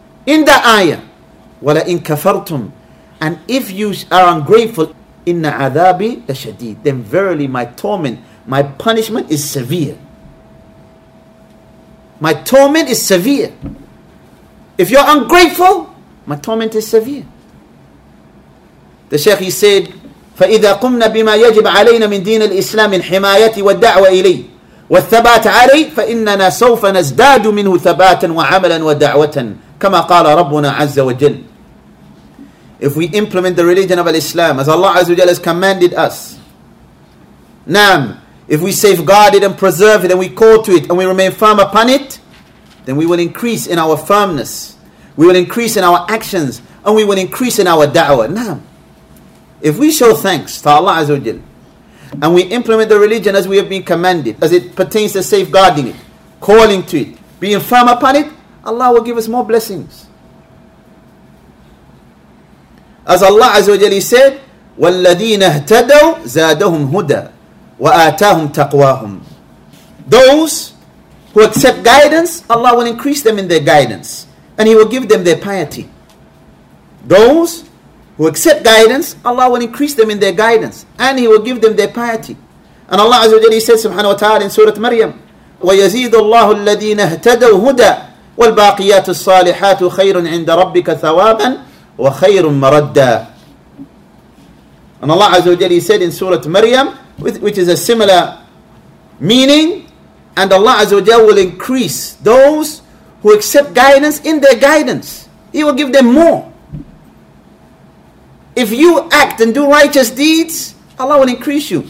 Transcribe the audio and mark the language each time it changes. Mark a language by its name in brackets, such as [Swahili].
[English] In the ayah, [Arabic] وَلَئِن كَفَرْتُمْ. [English] And if you are ungrateful, [Arabic] إِنَّ عَذَابِ لَشَدِيدٍ, [English] then verily my torment, my punishment is severe. My torment is severe. If you're ungrateful, my torment is severe. The Shaykh, he said, [Arabic] فَإِذَا قُمْنَا بِمَا يَجِبَ عَلَيْنَا مِنْ دِينَ الْإِسْلَامِ مِنْ حِمَايَةِ وَالدَّعْوَ إِلَيْهِ وَالثَّبَاتَ عَلَيْهِ فَإِنَّنَا سَوْفَ نَزْدَادُ مِنْهُ ثَبَاتًا وَعَمَلًا وَدَعْوَةً كَمَا قَالَ رَبُّنَا عَزَّ وَجَلْ. [English] If we implement the religion of Islam as Allah Azza wa Jalla has commanded us, Naam, if we safeguard it and preserve it and we call to it and we remain firm upon it, then we will increase in our firmness. We will increase in our actions and we will increase in our da'wah. Naam. If we show thanks to Allah Azza wa Jalla and we implement the religion as we have been commanded, as it pertains to safeguarding it, calling to it, being firm upon it, Allah will give us more blessings. As Allah Azza wa Jalla said, [Arabic] وَالَّذِينَ اهْتَدَوْا زَادَهُمْ هُدَى وَآتَاهُمْ تَقْوَاهُمْ. [English] Those who accept guidance, Allah will increase them in their guidance. And He will give them their piety. Those who accept guidance, Allah will increase them in their guidance. And He will give them their piety. And Allah Azza wa Jalla said, subhanahu wa ta'ala, in Surah Maryam, [Arabic] وَيَزِيدُ اللَّهُ الَّذِينَ اهْتَدَوْا هُدَى وَالْبَاقِيَاتُ الصَّالِحَاتُ خَيْرٌ عِنْدَ رَبِّكَ ثَوَابًا وَخَيْرٌ مَرَدَّا. [English] And Allah Azza wa Jalla said in Surah Maryam, which is a similar meaning, and Allah Azza wa Jalla will increase those who accept guidance in their guidance. He will give them more. If you act and do righteous deeds, Allah will increase you.